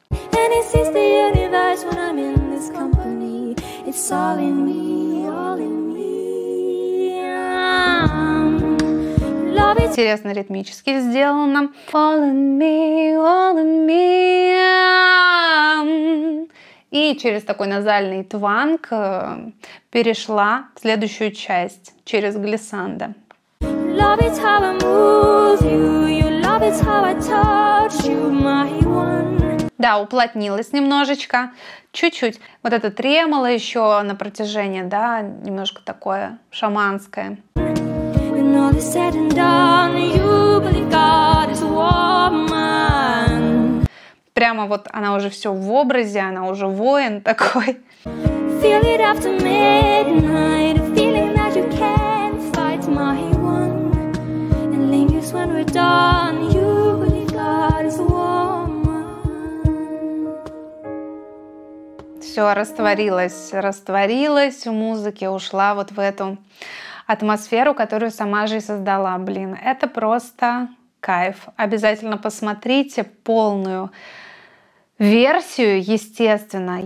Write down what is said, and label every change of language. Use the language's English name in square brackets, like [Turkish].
[Russian] Интересно, ритмически сделано. [English] All in me, all in me. [Russian] И через такой назальный тванг перешла в следующую часть, через глиссандо. [English] Love it how I move you, you love it how I touch you, my one. [Russian] Да, уплотнилась немножечко, чуть-чуть. Вот это тремоло еще на протяжении, да, немножко такое шаманское. [English] When all is said and done, you believe God is woman. [Russian] Прямо вот она уже все в образе, она уже воин такой. [English] Feel it after midnight, a feeling that you can't fight my one. And lingers when we're done, you believe God is woman. [Russian] Все, растворилась в музыке, ушла вот в эту атмосферу, которую сама же и создала. Блин, это просто кайф. Обязательно посмотрите полную версию, естественно.